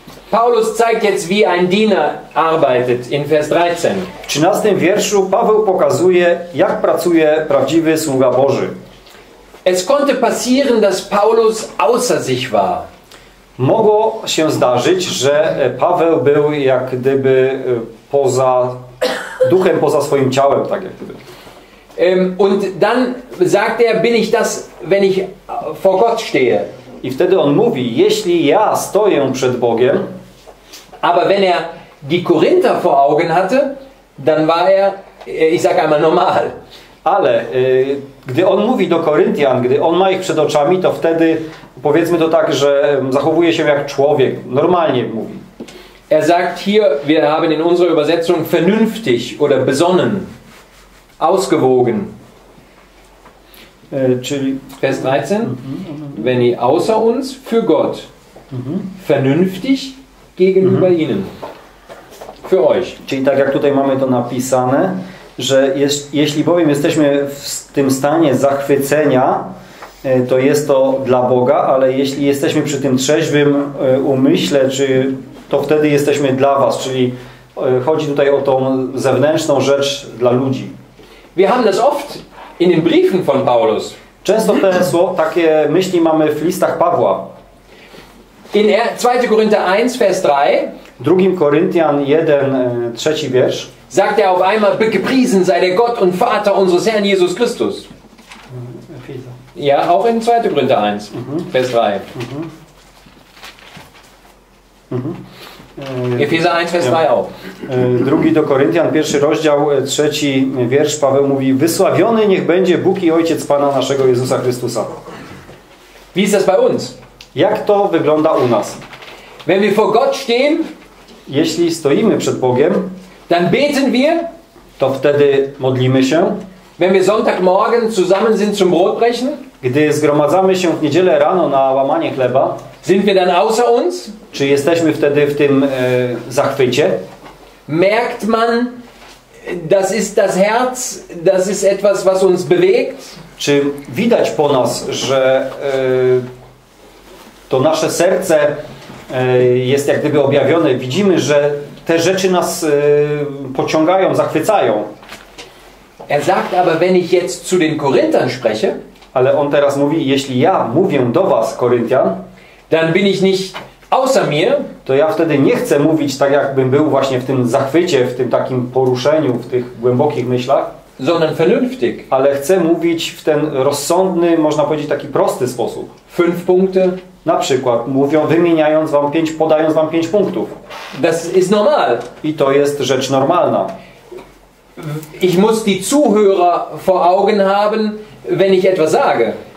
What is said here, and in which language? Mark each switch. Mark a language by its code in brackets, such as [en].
[de] Paulus zeigt jetzt, wie ein Diener arbeitet in Vers 13. [pl] W 13 wierszu Paweł pokazuje, jak pracuje prawdziwy sługa Boży. [de] Es konnte passieren, dass Paulus außer sich war. [pl] Mogło się zdarzyć, że Paweł był jak gdyby poza duchem, poza swoim ciałem, tak jak gdyby. [de] Und dann sagt er, bin ich das, wenn ich vor Gott stehe. [pl] I wtedy on mówi, jeśli ja stoję przed Bogiem. [de] Aber wenn er die Korinther vor Augen hatte, dann war er, ich sag einmal, normal. [pl] Ale gdy on mówi do Koryntian, gdy on ma ich przed oczami, to wtedy powiedzmy to tak, że zachowuje się jak człowiek, normalnie mówi. [de] Er sagt hier, wir haben in unserer Übersetzung vernünftig oder besonnen. Ausgewogen. [pl] Czyli [de] Vers 13. Wenn ihr außer uns für Gott vernünftig gegenüber ihnen. Für euch. [pl] Czyli tak jak tutaj mamy to napisane, że jeśli bowiem jesteśmy w tym stanie zachwycenia, to jest to dla Boga, ale jeśli jesteśmy przy tym trzeźwym umyśle, czy to wtedy jesteśmy dla was, czyli chodzi tutaj o tą zewnętrzną rzecz dla ludzi. [de] Wir haben das oft in den Briefen von Paulus. [pl] Często te słowa, takie myśli mamy w listach Pawła. [de] In 2. Korinther 1, Vers 3. [pl] Drugim Koryntian 1, trzeci wiersz. [de] Sagt er auf einmal, gepriesen sei der Gott und Vater unseres Herrn Jesus Christus. Ja, auch in 2. Korinther 1, Vers 3. Efeza 1, Vers 3 auch. [pl] Drugi do Koryntian, pierwszy rozdział, trzeci wiersz, Paweł mówi: wysławiony niech będzie Bóg i Ojciec Pana naszego Jezusa Chrystusa. [de] Wie ist das bei uns? [pl] Jak to wygląda u nas? [de] Wenn wir vor Gott stehen, [pl] jeśli stoimy przed Bogiem, [de] dann beten wir, [pl] to wtedy modlimy się. [de] Wenn wir Sonntagmorgen zusammen sind zum Brotbrechen, [pl] gdy zgromadzamy się w niedzielę rano na łamanie chleba, [de] sind wir dann außer uns? [pl] Czy jesteśmy wtedy w tym zachwycie? [de] Merkt man, das ist das Herz, das ist etwas, was uns bewegt? [pl] Czy widać po nas, że to nasze serce jest jak gdyby objawione? Widzimy, że te rzeczy nas pociągają, zachwycają. [de] Er sagt aber, wenn ich jetzt zu den Korinthern spreche, [pl] Ale on teraz mówi, jeśli ja mówię do was, Koryntian, [de] dann bin ich nicht außer mir, [pl] to ja wtedy nie chcę mówić tak, jakbym był właśnie w tym zachwycie, w tym takim poruszeniu, w tych głębokich myślach, [de] sondern vernünftig, [pl] ale chcę mówić w ten rozsądny, można powiedzieć, taki prosty sposób. [de] Fünf Punkte. [pl] Na przykład, mówią, wymieniając wam pięć, podając wam pięć punktów. [de] Das ist normal. [pl] I to jest rzecz normalna. [de] Ich muss die Zuhörer vor Augen haben, wenn ich etwas sage.